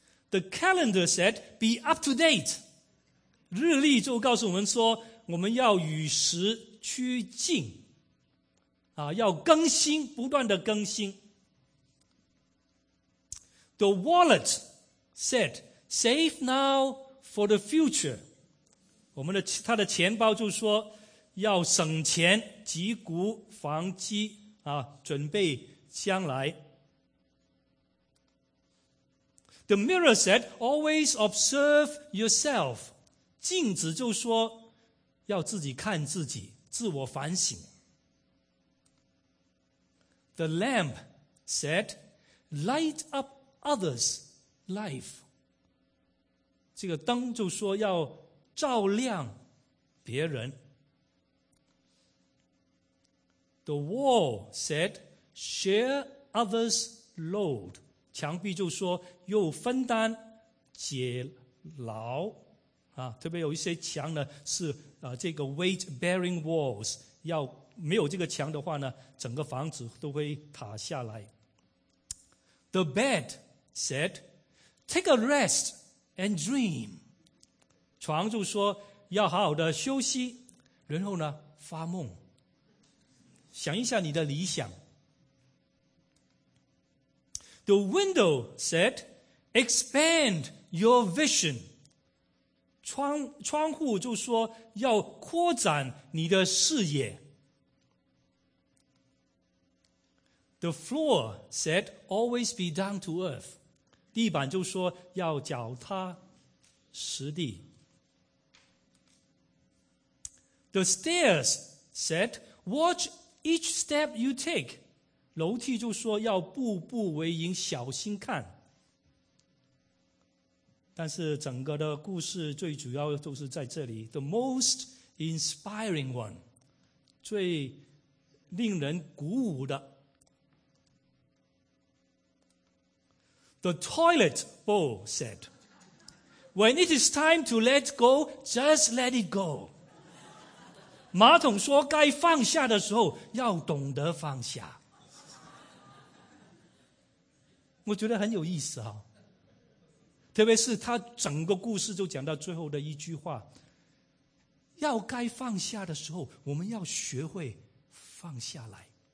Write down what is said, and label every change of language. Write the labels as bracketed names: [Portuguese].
[English] The calendar said, be up to date. [Chinese] 日历就告诉我们说，我们要与时俱进，啊，要更新，不断的更新。 [English] The wallet said, save now for the future. [Chinese] 我们的他的钱包就说要省钱，积谷防饥，啊，准备将来。 [English] The mirror said, always observe yourself. [Chinese] 镜子就说要自己看自己，自我反省。 [English] The lamp said, light up others' life. [Chinese] 这个灯就说要照亮别人。 [English] The wall said, share others' load. [Chinese] 墙壁就说又分担解劳，啊，特别有一些墙呢是，这个 [English] weight bearing walls， [Chinese] 要没有这个墙的话呢，整个房子都会塌下来。 [English] The bed said, take a rest and dream. [Chinese] 床就说要好好的休息，然后呢发梦，想一下你的理想。 [English] The window said, expand your vision. [Chinese] 窗户就说要扩展你的视野。 [English] The floor said, always be down to earth. [Chinese] 地板就说要脚踏实地。 [English] The stairs said, watch each step you take. [Chinese] 楼梯就说要步步为营，小心看。但是整个的故事最主要都是在这里。 [English] The most inspiring one. [Chinese] 最令人鼓舞的。 [English] The toilet bowl said, when it is time to let go, just let it go. [Chinese] 马桶说该放下的时候要懂得放下。我觉得很有意思哈，特别是他整个故事就讲到最后的一句话，要该放下的时候我们要学会放下来。